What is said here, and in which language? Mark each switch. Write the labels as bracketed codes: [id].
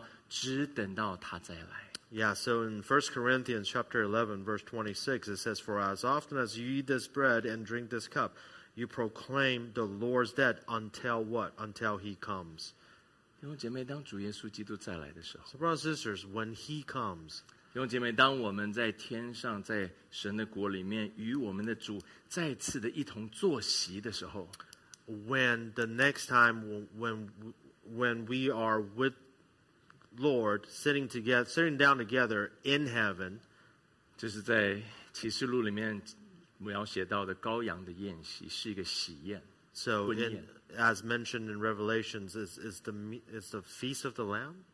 [zh] 更多前书第十一章二十六节，主耶稣说：“你们每逢吃这个饼、喝这个杯的时候，表明的是主的死。但是是什么？只等到他再来。” [en] Yeah, so in 1 Corinthians chapter 11, verse 26, it says, "For as often as you eat this bread and drink this cup, You proclaim the Lord's death until what? Until he comes. [zh] 弟兄姐妹，当主耶稣基督再来的时候， [en] so brothers and sisters, when he comes, [zh] 弟兄姐妹，当我们在天上，在神的国里面，与我们的主再次的一同坐席的时候， [en] when the next time when we are with Lord sitting together, sitting down together in heaven, [zh] 就是在启示录里面我要写到的羔羊的宴席，是一个喜宴。 [en] So in, as mentioned in Revelations, is the feast of the Lamb.